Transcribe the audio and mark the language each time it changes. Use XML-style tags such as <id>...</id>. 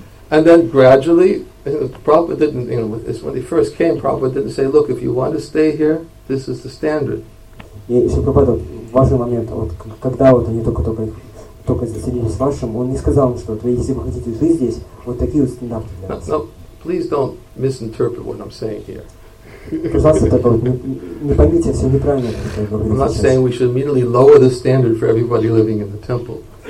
<en>And then gradually, Prabhupada didn't, you know, when he first came, Prabhupada didn't say, look, if you want to stay here, this is the standard.</en> <ru>И Шрила в важный момент, вот когда вот они только заселились в вашем, он не сказал им, что если вы хотите жить здесь, вот такие вот стандарты для вас.</ru> <en>Please don't misinterpret what I'm saying here. I'm not saying we should immediately lower the standard for everybody living in the temple.</en>